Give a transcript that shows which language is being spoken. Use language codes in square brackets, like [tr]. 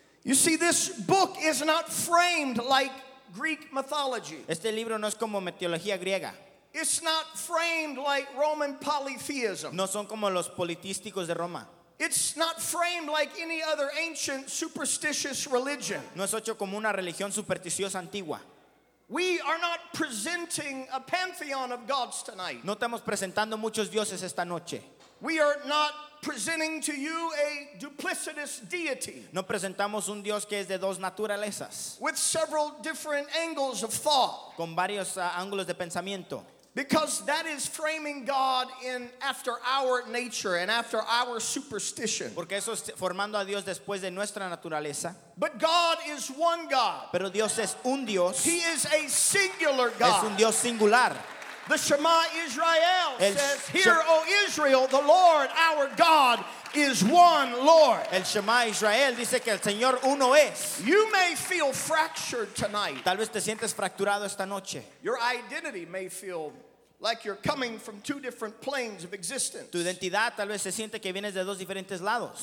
[en] You see, this book is not framed like Greek mythology. [es] Este libro no es como mitología griega. [en] It's not framed like Roman polytheism. [es] No son como los politísticos de Roma. [en] It's not framed like any other ancient superstitious religion. [es] No es hecho como una religión supersticiosa antigua. [en] We are not presenting a pantheon of gods tonight. [es] No estamos presentando muchos dioses esta noche. [en] We are not presenting to you a duplicitous deity. [es] No presentamos un Dios que es de dos naturalezas. [en] With several different angles of thought. [es] Con varios ángulos de pensamiento. [en] Because that is framing God in after our nature and after our superstition. [es] Porque eso es formando a Dios después de nuestra naturaleza. [en] But God is one God. [es] Pero Dios es un Dios. [en] He is a singular God. [es] Es un Dios singular. [en] The Shema Israel says, Hear, O Israel, the Lord our God is one Lord. [es] El Shema Israel dice que el Señor uno es. [en] You may feel fractured tonight. [es] Tal vez te sientes fracturado esta noche. [en] Your identity may feel like you're coming from two different planes of existence. [es] Tu identidad tal vez se siente que vienes de dos diferentes lados.